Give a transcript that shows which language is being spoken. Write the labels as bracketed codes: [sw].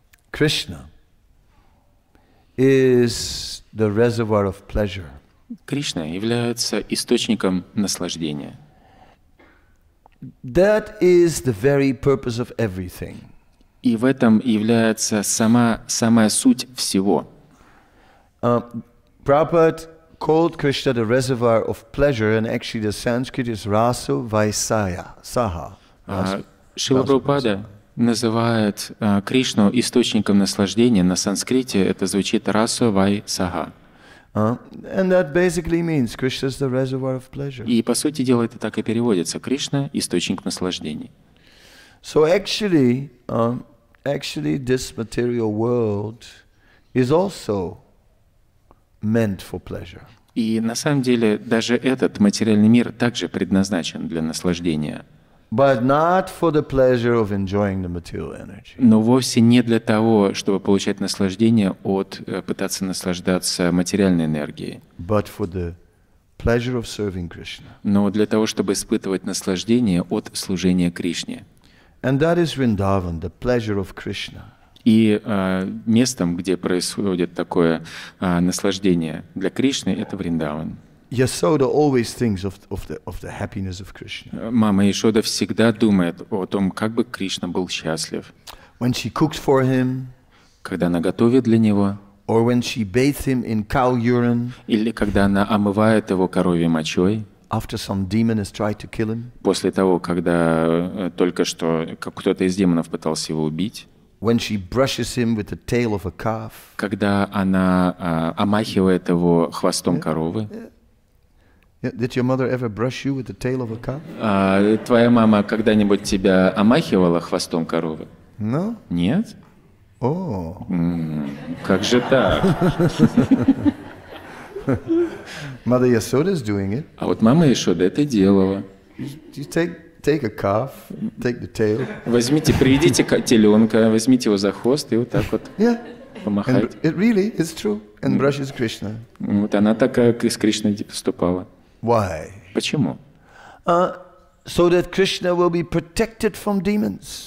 [en] Krishna is the reservoir of pleasure. [ru] Кришна является источником наслаждения. [en] That is the very purpose of everything. [ru] И в этом является самая суть всего. [en] Prabhupada called Krishna the reservoir of pleasure, and actually the Sanskrit is rasu vaisaya, saha. [ru] Шрила Прабхупада называет Кришну источником наслаждения. На санскрите это звучит rasu vaisaha. [en] And that basically means Krishna is the reservoir of pleasure. [ru] И по сути дела это так и переводится: Кришна — источник наслаждений. [en] So actually, this material world is also meant for pleasure. [ru] И на самом деле даже этот материальный мир также предназначен для наслаждения. [en] But not for the pleasure of enjoying the material energy. [ru] Но вовсе не для того, чтобы получать наслаждение от пытаться наслаждаться материальной энергией. [en] But for the pleasure of serving Krishna. [ru] Но для того, чтобы испытывать наслаждение от служения Кришне. [en] And that is Vrindavan, the pleasure of Krishna. [ru] И местом, где происходит такое наслаждение для Кришны, это Вриндаван. [en] Yasoda always thinks of the happiness of Krishna. [ru] Мама Яшода всегда думает о том, как бы Кришна был счастлив. [en] When she cooks for him, [ru] когда она готовит для него, [en] or when she bathes him in cow urine, [ru] или когда она омывает его коровьей мочой, [en] after some demon has tried to kill him, [ru] после того, когда только что кто-то из демонов пытался его убить. [en] When she brushes him with the tail of a calf. [ru] Когда она омахивает его хвостом коровы. [en] Did your mother ever brush you with the tail of a calf? [ru] Твоя мама когда-нибудь тебя омахивала хвостом коровы? [en] No. [ru] Нет? [en] Oh. [ru] Как же так? [en] Mother Yasoda is doing it. [ru] А вот мама Яшода это делала. [en] Take a calf, take the tail. [ru] Возьмите, приведите котеленка, возьмите его за хвост и вот так вот помахайте. [en] It really is true. And brushes Krishna. [ru] Вот она так с Кришной поступала. [en] Why? [ru] Почему? [en] So that Krishna will be protected from demons.